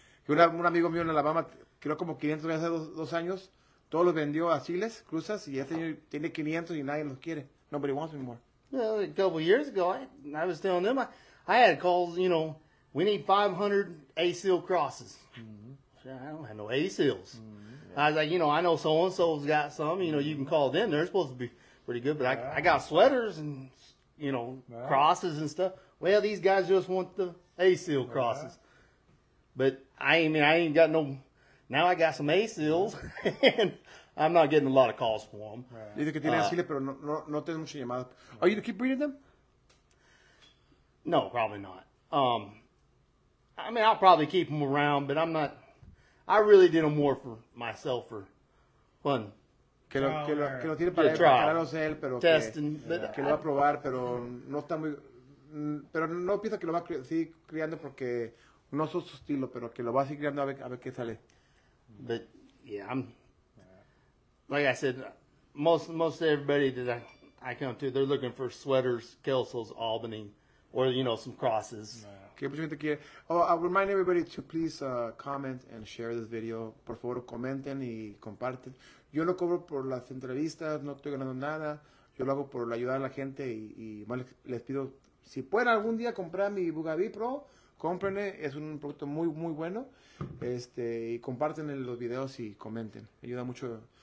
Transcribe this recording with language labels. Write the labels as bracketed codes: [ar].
[es] Un amigo mío en Alabama, creo como 500 hace dos años, todos los vendió a Chiles, cruzas, y este año tiene 500 y nadie los quiere. [en] Nobody wants them anymore. Well, a couple of years ago, I was telling them, I had calls, you know, we need 500 ACL crosses. Mm-hmm. I don't have no ACLs. Mm-hmm. Yeah. I was like, you know, I know so-and-so's got some, you know, you can call them. They're supposed to be pretty good, but I got sweaters and, you know, crosses and stuff. Well, these guys just want the ACL crosses. But, I ain't got no, now I got some ACLs, and I'm not getting a lot of calls for them. [es] Dice que tiene ACLs, pero no tengo muchas llamadas. [en] Are you to keep breeding them? No, probably not. I mean, I'll probably keep them around, but I'm not. I really did them more for myself for fun. [es] Que lo tiene para probarlos él, pero [en] testing, [es] que lo va a probar, pero no está muy. Pero no piensa que lo va a seguir criando porque no es su estilo, pero que lo va a seguir criando a ver qué sale. [en] But yeah, I'm. Like I said, most everybody that I come to, they're looking for sweaters, Kelsals, Albany, or, you know, some crosses. Oh, I remind everybody to please comment and share this video. [es] Por favor, comenten y comparten. Yo no cobro por las entrevistas, no estoy ganando nada. Yo lo hago por ayudar a la gente y más les pido, si pueden algún día comprar mi Bugaby Pro, cómprenle. Es un producto muy, muy bueno. Y comparten los videos y comenten. Ayuda mucho.